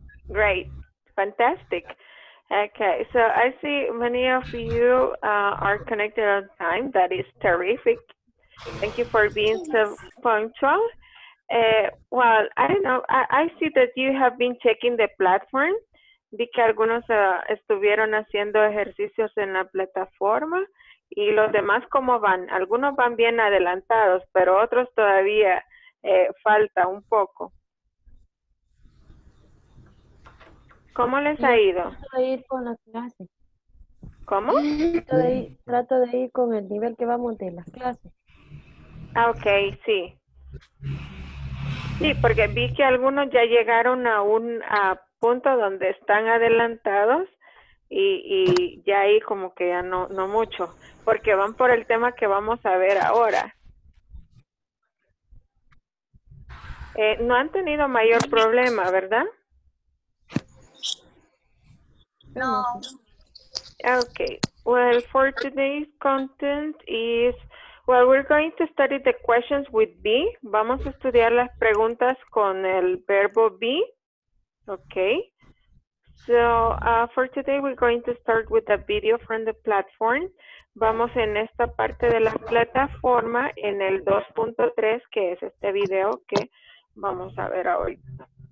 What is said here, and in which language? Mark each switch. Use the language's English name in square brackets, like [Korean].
[English] Great, fantastic. Okay, so I see many of you are connected on time. That is terrific. Thank you for being so punctual. Well, I don't know. I see that you have been checking the platform. [Spanish] Vi que algunos estuvieron haciendo ejercicios en la plataforma. Y los demás, ¿cómo van? Algunos van bien adelantados, pero otros todavía falta un poco. ¿Cómo les ha ido? Trato de ir con la clase. ¿Cómo? Trato de ir con el nivel que vamos de las clases. Ah, ok, sí. Sí, porque vi que algunos ya llegaron a un a punto donde están adelantados y ya ahí como que ya no mucho, porque van por el tema que vamos a ver ahora. No han tenido mayor problema, ¿verdad? No. Okay. [English] Well, for today's content is, well, we're going to study the questions with be. [Spanish] Vamos a estudiar las preguntas con el verbo be. Okay. [English] So, for today, we're going to start with a video from the platform. [Spanish] Vamos en esta parte de la plataforma, en el 2.3, que es este video que vamos a ver ahorita.